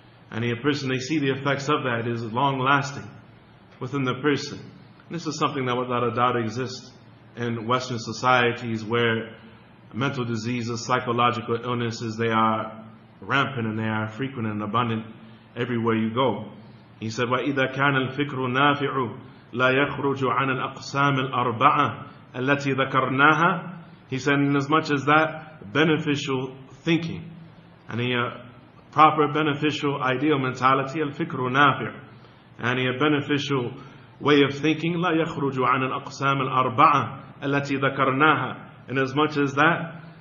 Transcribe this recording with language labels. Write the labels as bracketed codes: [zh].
[en] And a person, they see the effects of that, is long-lasting within the person. And this is something that without a doubt exists in Western societies, where mental diseases, psychological illnesses, they are rampant and they are frequent and abundant everywhere you go. He said, [ar] وَإِذَا كَانَ الْفِكْرُ نَافِعُ لَا يَخْرُجُ عَنَ الْأَقْسَامِ الْأَرْبَعَةِ الَّتِي ذَكَرْنَاهَا. [en] He said, in as much as that beneficial thinking, and a proper beneficial ideal mentality, [ar] al-fikru nafi', [en] and a beneficial way of thinking, [ar] la yakhruju an al-aqsam al-arba'a allati dhakarnaha, [en] in as much as that